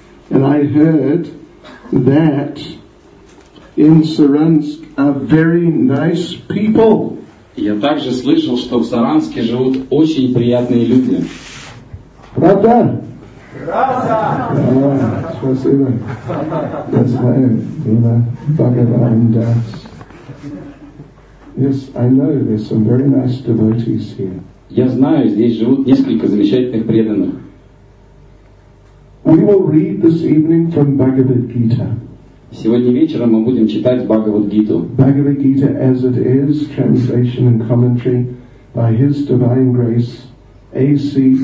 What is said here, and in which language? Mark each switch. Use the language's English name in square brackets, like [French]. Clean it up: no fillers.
[English] And I heard that in Saransk are very nice people. [Russian] Я также слышал, что в Саранске живут очень приятные люди. Правда? Правда! Спасибо. [English] Yes, [Russian] Ива Бхагаван Дас. [English] Yes, I know there's some very nice devotees here. [Russian] Я знаю, здесь живут несколько замечательных преданных. [English] We will read this evening from Bhagavad Gita. [Russian] Сегодня вечером мы будем читать Бхагавад Гиту. [English] Bhagavad Gita as it is, translation and commentary by His Divine Grace A.C.